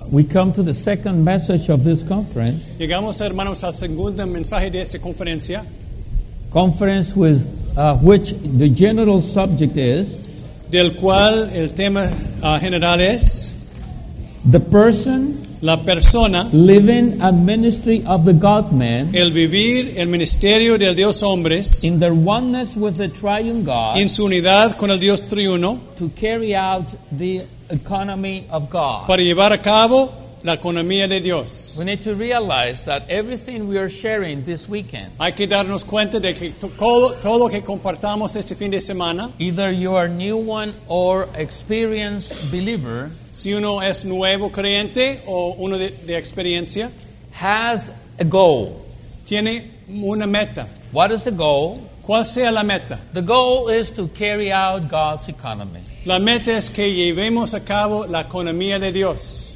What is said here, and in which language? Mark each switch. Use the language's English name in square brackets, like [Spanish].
[English] We come to the second message of this conference. [Spanish] Llegamos, hermanos, al segundo mensaje de esta conferencia. [English] Conference with which the general subject is. [Spanish] Del cual el tema general es. [English] The person. [Spanish] La persona. [English] Living a ministry of the God-Man. [Spanish] El vivir el ministerio del Dios hombres. [English] In their oneness with the Triune God. [Spanish] En su unidad con el Dios triuno. [English] To carry out the economy of God. [Spanish] Para llevar a cabo la economía de Dios. [English] We need to realize that everything we are sharing this weekend. [Spanish] Hay que darnos cuenta de que todo lo que compartamos este fin de semana. [English] Either you are new one or experienced believer. [Spanish] Si uno es nuevo creyente o uno de experiencia. [English] Has a goal. [Spanish] Tiene una meta. [English] What is the goal? [Spanish] ¿Cuál sea la meta? [English] The goal is to carry out God's economy. [Spanish] La meta es que llevemos a cabo la economía de Dios.